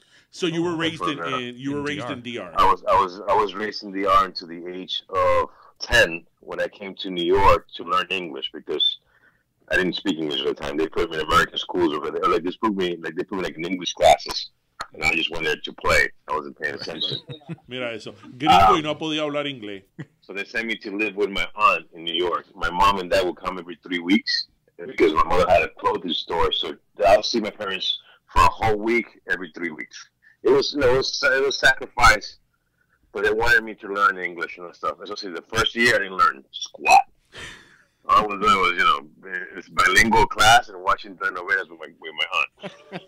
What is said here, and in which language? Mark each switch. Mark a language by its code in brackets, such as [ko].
[en] So you were raised in DR. I was raised in DR until the age of 10 when I came to New York to learn English because I didn't speak English at the time. They put me in American schools over there. Like they put me like in English classes, and I just went there to play. I wasn't paying attention. [es] Mira eso, gringo y no podía hablar inglés. [en] So they sent me to live with my aunt in New York. My mom and dad would come every 3 weeks because my mother had a clothing store. So I'll see my parents for a whole week every 3 weeks. It was sacrifice, but they wanted me to learn English and stuff. Especially the first year, I didn't learn squat. All I was doing was, you know, it's bilingual class and watching telenovelas with my aunt.